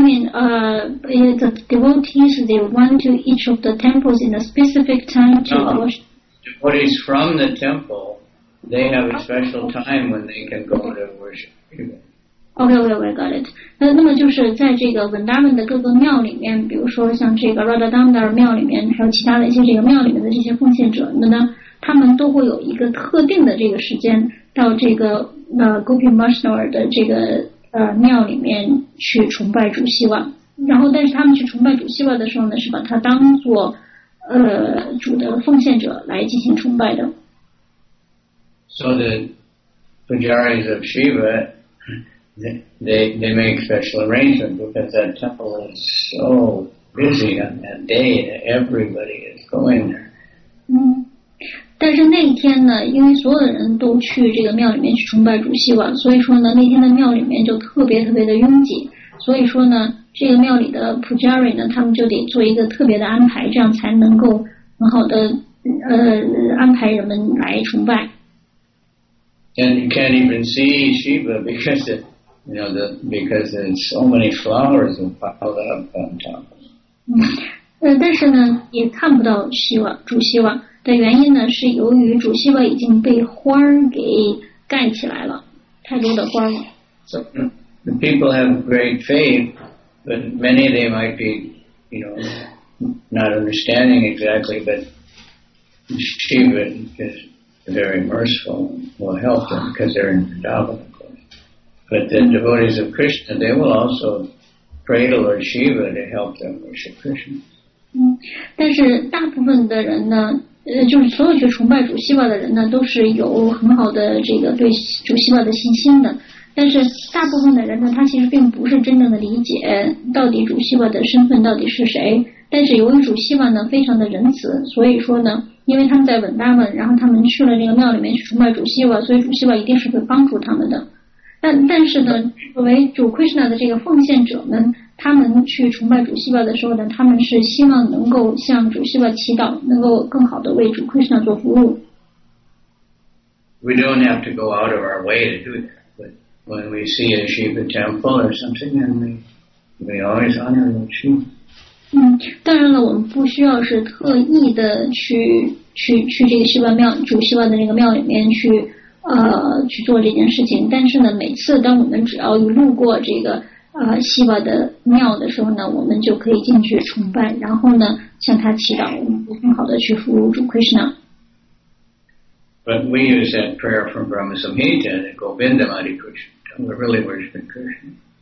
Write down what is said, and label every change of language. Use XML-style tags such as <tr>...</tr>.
<en>The devotees, they went to each of the temples in a specific time to worship. Devotees from the temple, they have a special time when they can go to worship. Okay, got it.</en> <zh>那么就是在这个 Vrindavan 的各个庙里面，比如说像这个 Radha Damodar 庙里面，还有其他的一些这个庙里面的这些奉献者们呢，他们都会有一个特定的这个时间到这个Gopi Mashnar 的这个。庙里面去崇拜主希瓦，然后但是他们去崇拜主希瓦的时候呢，是把他当做主的奉献者来进行崇拜的。</zh> <en>So the pujaris of Shiva, they make special arrangements because that temple is so busy on that day that everybody is going there.</en> <zh>但是那一天呢，因为所有的人都去这个庙里面去崇拜主希瓦，所以说呢，那天的庙里面就特别特别的拥挤。所以说呢，这个庙里的 pujari 呢，他们就得做一个特别的安排，这样才能够很好的安排人们来崇拜。</zh> <en>And you can't even see Shiva because because there's so many flowers piled up on top.</en> <zh>但是呢，也看不到希瓦主希瓦。的原因呢，是由于主希瓦已经被花给盖起来了，太多的花了。</zh> <en>So the people have great faith, but many of them might be, not understanding exactly. But Shiva is very merciful, will help them because they're in Vrindavan, of course. But the devotees of Krishna, they will also pray to Lord Shiva to help them worship Krishna.</en> <zh>但是大部分的人呢。就是所有去崇拜主希瓦的人呢，都是有很好的这个对主希瓦的信心的。但是大部分的人呢，他其实并不是真正的理解到底主希瓦的身份到底是谁。但是由于主希瓦呢非常的仁慈，所以说呢，因为他们在稳大稳，然后他们去了这个庙里面去崇拜主希瓦，所以主希瓦一定是会帮助他们的。但是呢，作为主 Krishna 的这个奉献者们。他们去崇拜主希瓦的时候呢，他们是希望能够向主希瓦祈祷，能够更好的为主 Krishna 做服务。</zh> <en>We don't have to go out of our way to do that, but when we see a Shiva temple or something, then we always honor the Shiva.</en> <zh>当然了，我们不需要是特意的去这个希瓦庙主希瓦的那个庙里面去去做这件事情，但是呢，每次当我们只要路过这个希瓦的庙的时候呢，我们就可以进去崇拜，然后呢向他祈祷，我们会更好的去服务主 Krishna。</zh> <en>But we use that prayer from Brahma Samhita and Govinda Madhi Krishna. We're really worshiping Krishna.</en>